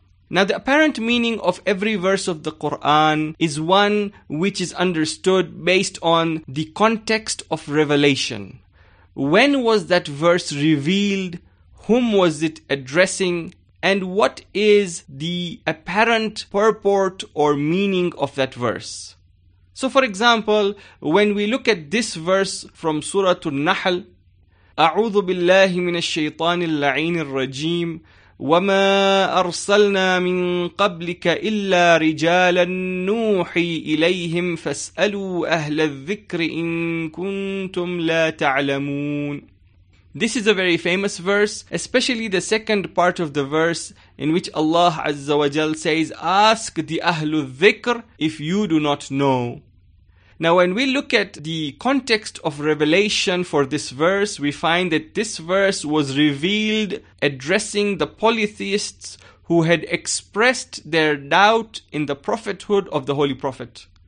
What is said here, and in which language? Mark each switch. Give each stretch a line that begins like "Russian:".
English: Now, the apparent meaning of every verse of the Qur'an is one which is understood based on the context of revelation. When was that verse revealed? Whom was it addressing? And what is the apparent purport or meaning of that verse? So, for example, when we look at this verse from Surah An-Nahl,
Arabic: أعوذ بالله من الشيطان اللعين الرجيم وما أرسلنا من قبلك إلا رجالا نوحي إليهم فاسألوا أهل الذكر إن كنتم لا تعلمون.
English: This is a very famous verse, especially the second part of the verse in which Allah Azza wa Jal says, ask the Ahlul Dhikr if you do not know. Now, when we look at the context of revelation for this verse, we find that this verse was revealed addressing the polytheists who had expressed their doubt in the prophethood of the Holy Prophet.